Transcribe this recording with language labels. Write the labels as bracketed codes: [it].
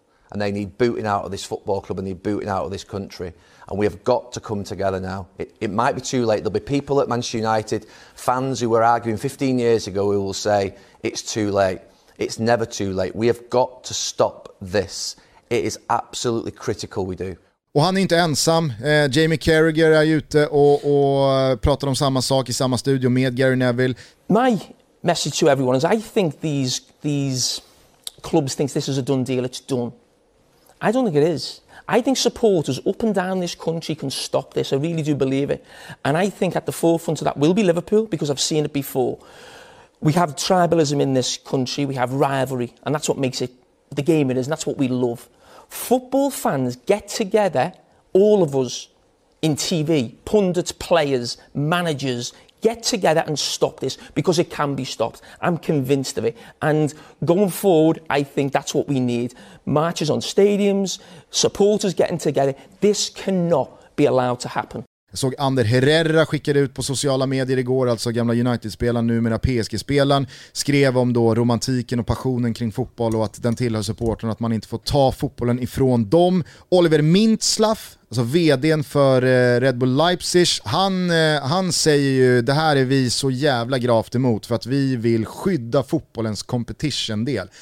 [en] And they need booting out of this football club and they need booting out of this country. And we have got to come together now. It might be too late. There'll be people at Manchester United, fans who were arguing 15 years ago, who will say, it's too late. It's never too late. We have got to stop this. It is absolutely critical we do. [sv] Och han är inte ensam. Jamie Carragher är ute och pratar om samma sak i samma studio med Gary Neville. [en] My message to everyone is I think these clubs think this is a done deal. It's done. I don't think it is. I think supporters up and down this country can stop this. I really do believe it. And I think at the forefront of that will be Liverpool because I've seen it before. We have tribalism in this country. We have rivalry. And that's what makes it the game it is. And that's what we love. Football fans get together, all of us, in TV, pundits, players, managers, get together and stop this because it can be stopped. I'm convinced of it. And going forward, I think that's what we need. Marches on stadiums, supporters getting together. This cannot be allowed to happen. [sv] Jag såg Ander Herrera skickade ut på sociala medier igår, alltså gamla United-spelaren, numera PSG-spelaren, skrev om då romantiken och passionen kring fotboll och att den tillhör supporten, att man inte får ta fotbollen ifrån dem. Oliver Mintzlaff, alltså vdn för Red Bull Leipzig, han säger ju, det här är vi så jävla gravt emot för att vi vill skydda fotbollens competition-del.